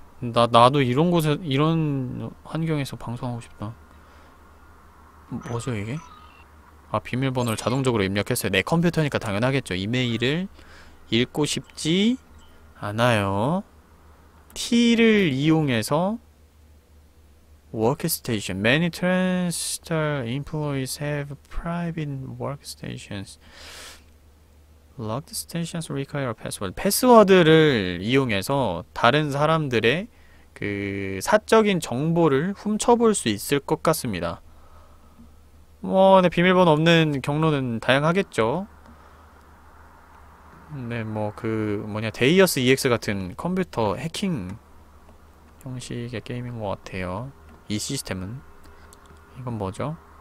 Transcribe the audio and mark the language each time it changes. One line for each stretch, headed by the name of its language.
Korean: 나도 이런 곳에 이런 환경에서 방송하고 싶다. 뭐죠 이게? 아, 비밀번호를 자동적으로 입력했어요. 내 컴퓨터니까 당연하겠죠. 이메일을 읽고 싶지 않아요. T를 이용해서 워크스테이션.
English: Many transistor employees have private workstations. Locked stations require a password.
Korean: 패스워드를 이용해서 다른 사람들의 그 사적인 정보를 훔쳐볼 수 있을 것 같습니다. 뭐, 네, 비밀번호 없는 경로는 다양하겠죠. 네, 뭐, 뭐냐, 데이어스 EX 같은 컴퓨터 해킹 형식의 게임인 것 같아요. 이 시스템은. 이건 뭐죠?